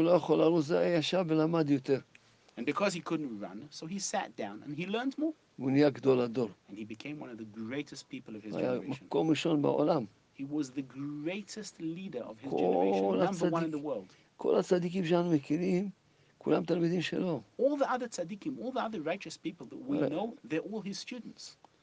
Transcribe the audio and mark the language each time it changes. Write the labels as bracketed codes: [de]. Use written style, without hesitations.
[en] And because he couldn't run, so he sat down and he learned more. And he became one of the greatest people of his generation. He was the greatest leader of his generation, number one in the world. [he] כל הצדיקים שאנחנו מכירים, כולם תלמידים שלו. [en] All the other tzaddikim, all the other righteous people that we know, they're all his students.